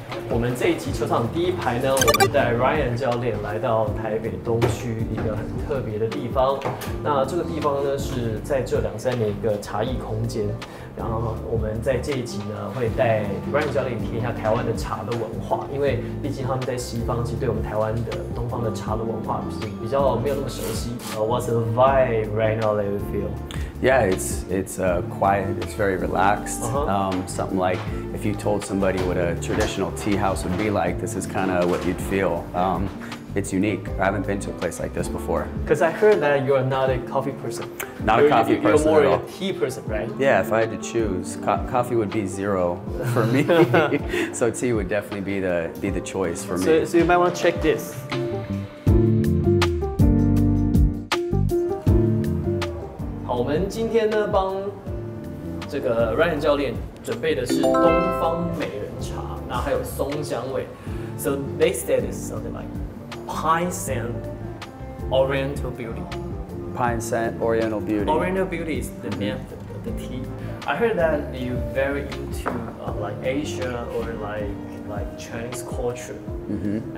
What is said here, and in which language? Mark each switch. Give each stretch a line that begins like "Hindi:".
Chinese: 我们这一集球场第一排呢，我们带 Ryan 教练来到台北东区一个很特别的地方。那这个地方呢，是在这两三年一个茶艺空间。然后我们在这一集呢，会带 Ryan 教练体验一下台湾的茶的文化，因为毕竟他们在西方，其实对我们台湾的东方的茶的文化比较没有那么熟悉。
English: What's the vibe right now that you feel? Yeah, it's quiet, it's very relaxed.、Uh-huh. Something like if you told somebody what a traditional tea house would be like, this is kind of what you'd feel. It's unique. I haven't been to a place like this before. Because I heard that you're not a coffee person. You're more a tea person, right? Yeah, if I had to choose, coffee would be zero for me. So tea would definitely be the choice for me. So you might want to check this.
Chinese: 我们今天呢，帮这个 Ryan 教练准备的是东方美人茶，那还有松香味。
English: So they said it's something like pine scent oriental beauty. Pine scent oriental beauty. Oriental beauty is the name of the tea. I heard that you're very into like Asia or like Chinese culture. Mm-hmm.